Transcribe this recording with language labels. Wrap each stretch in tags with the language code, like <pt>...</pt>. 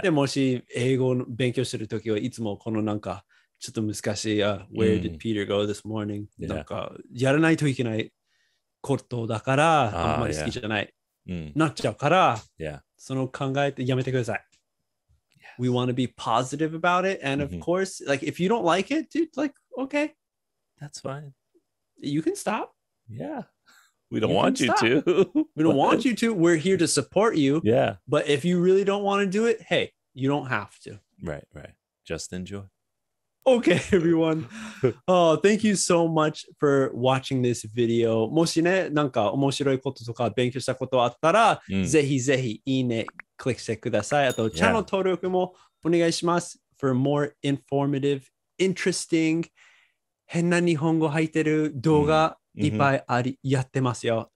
<ja>でもし英語の勉強してるときはいつもこのなんかちょっと難しい。</ja> <en>Where did Peter go this morning?</en> <ja>なんか、やらないといけないことだから、あんまり好きじゃない。なっちゃうから、その考えてやめてください。</ja> <en>We want to be positive about it. And of course, like, if you don't like it, dude, like, okay. That's fine. You can stop. Yeah. We don't want you to. We don't want you to. We're here to support you. Yeah. But if you really don't want to do it, hey, you don't have to. Right, right. Just enjoy. Okay, everyone. Oh, thank you so much for watching this video.</en> <ja>もしね、なんか面白いこととか勉強したことあったら、ぜひぜひいいねクリックしてください。あと、チャンネル登録もお願いします。</ja> <en>For more informative, interesting,</en> <ja>変な日本語入ってる動画、いっぱいありやってますよ。</ja>